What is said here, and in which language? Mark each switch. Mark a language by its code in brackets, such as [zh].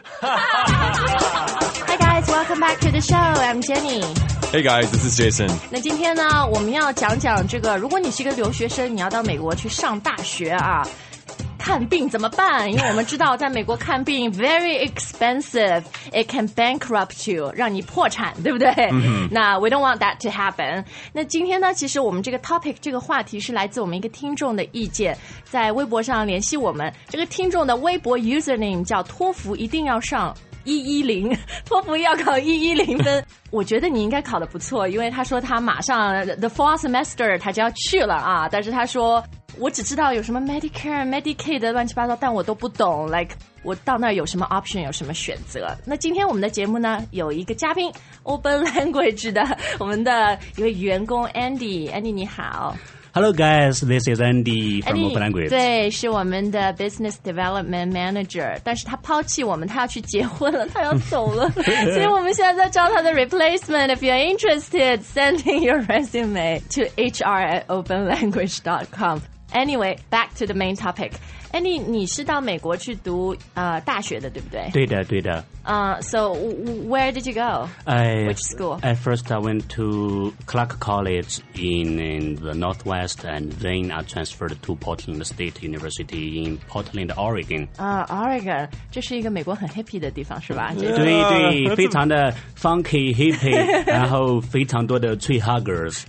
[en] Hi guys, welcome back to the show. I'm Jenny. Hey guys, this is Jason. [zh] 那今天呢，我们要讲讲这个，如果你是一个留学生，你要到美国去上大学啊，看病怎么办？因为我们知道，在美国看病 [en] very expensive, it can bankrupt you, [zh] 让你破产，对不对？ Mm-hmm. [en] 那 we don't want that to happen. [zh] 那今天呢，其实我们这个 topic 这个话题是来自我们一个听众的意见，在微博上联系我们。这个听众的微博 username 叫托福，一定要上。 110托福要考110分我觉得你应该考得不错，因为他说他马上 the fall semester 他就要去了啊，但是他说我只知道有什么 Medicare Medicaid 的乱七八糟，但我都不懂 like 我到那有什么 option 有什么选择。那今天我们的节目呢有一个嘉宾 Open Language 的我们的一位员工 Andy 你好。 [en] Hello guys, this is Andy from Open Language. [zh] 对，是我们的 Business Development Manager, 但是他抛弃我们，他要去结婚了，他要走了。所以我们现在在招他的 replacement. [en] If you're interested, send in your resume to hr@openlanguage.com. Anyway, back to the main topic. [zh] Andy, 你是到美国去读大学的，对不对？对的，对的。 [en] So where did you go? Which school? First, I went to Clark College in the Northwest, and then I transferred to Portland State University in Portland, Oregon. [zh] Oregon, 这是一个美国很 hippie 的地方，是吧？ Yeah, 对对，非常的 [en] funky hippie, [zh] 然后非常多的 [en] tree huggers.